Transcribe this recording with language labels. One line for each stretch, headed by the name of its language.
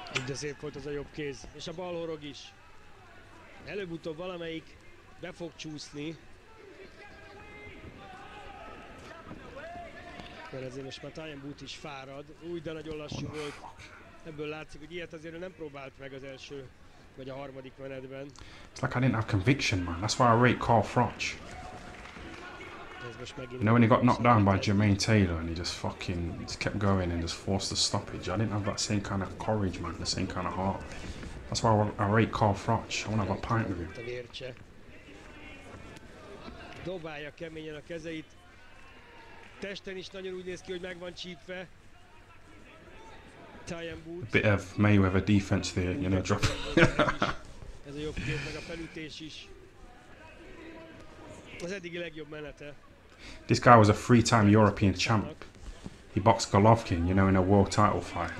Hungarian: ezért volt az a jobb kéz, és a bal horog is. Előbb-utóbb valamelyik be fog csúszni. Mert ezért most már Tyan Booth is fárad. Új, de nagyon lassú volt. Ebből látszik, hogy ilyet azért nem próbált meg az első vagy a harmadik menetben.
English: It's like I didn't have conviction, man. That's why I rate Carl Froch. You know when he got knocked down by Jermaine Taylor and he just fucking just kept going and just forced the stoppage? I didn't have that same kind of courage, man, the same kind of heart. That's why I rate Carl Froch. I want to have a pint with him.
Hungarian: Dobálja keményen a kezeit. Testen is nagyon úgy néz ki, hogy meg van csípve.
English: Tyan a bit of Mayweather defense there, you know, drop.
Hungarian: Ez a jobb kép, meg a felütés is. Az eddigi legjobb menete.
English: This guy was a three-time European champ. He boxed Golovkin, you know, in a world title fight.